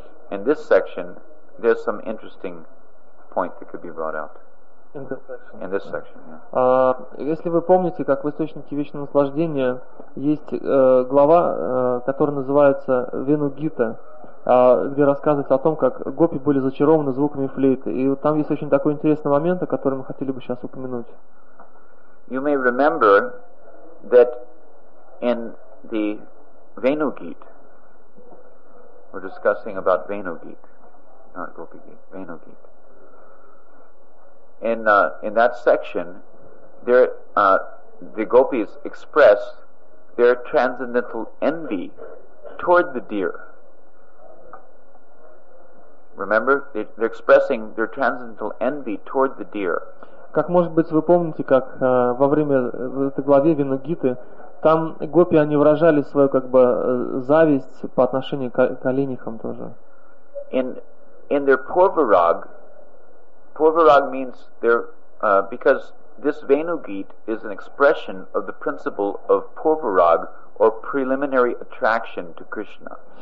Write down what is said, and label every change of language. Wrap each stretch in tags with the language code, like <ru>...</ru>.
<en>In this section, there's some interesting point that could be brought out. In this section. In this section, yeah.</en> <ru>Если вы помните, как в источнике вечного наслаждения есть глава, которая называется Venu Geeta, где рассказывается о том, как гопи были зачарованы звуками флейты. И вот там есть очень такой интересный момент, о котором мы хотели бы сейчас упомянуть.</ru> <en>You may remember that in the Venu Geet, we're discussing about Venu Geet, not Gopi Geet, Venu Geet. In that section, there the gopis express their transcendental envy toward the deer. Remember, they're expressing their transcendental envy toward the deer.</en> <ru>Как может быть вы помните, как во время в этой главе Venu Geeta там гопи они выражали свою как бы зависть по отношению к оленихам тоже.</ru> <en>In their purvarag. Purvarag means they're because this Venu Geet is an expression of the principle of purvarag or preliminary attraction to Krishna.</en>